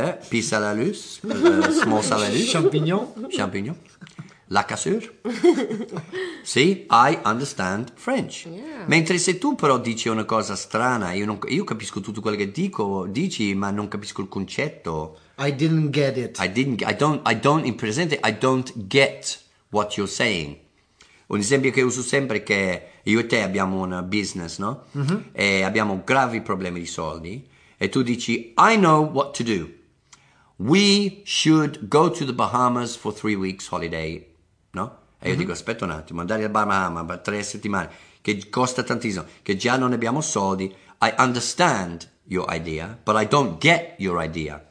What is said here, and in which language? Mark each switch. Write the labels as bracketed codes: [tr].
[fr] Pis à la luce. Small salalus. Champignon. Champignon. La cassure. [en] Sì, I understand French. Yeah. [it] Mentre se tu però dici una cosa strana, io capisco tutto quello che dici, ma non capisco il concetto. [en] I didn't get it. I don't, [it] in presente, [en] I don't get what you're saying. [it] Un esempio che uso sempre è che io e te abbiamo un business, no? Mm-hmm. E abbiamo gravi problemi di soldi e tu dici, [en] I know what to do. We should go to the Bahamas for 3 weeks holiday, no? [it] E io mm-hmm. dico, aspetta un attimo, andare al Bahamas per 3 settimane, che costa tantissimo, che già non abbiamo soldi. [en] I understand your idea, but I don't get your idea.